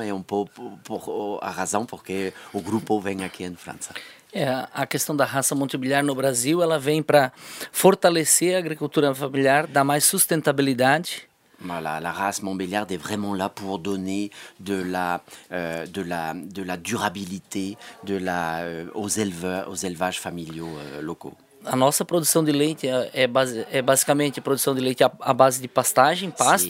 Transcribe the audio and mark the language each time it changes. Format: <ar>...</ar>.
<pt>É um pouco por a razão porque o grupo vem aqui em França. É, a questão da raça Montbéliarde no Brasil, ela vem para fortalecer a agricultura familiar, dar mais sustentabilidade.</pt> <fr>Voilà, la race Montbéliarde est vraiment là pour donner de la durabilité aux élevages familiaux locaux.</fr> <pt>A nossa produção de leite é basicamente produção de leite à base de pastagem, pasto,</pt>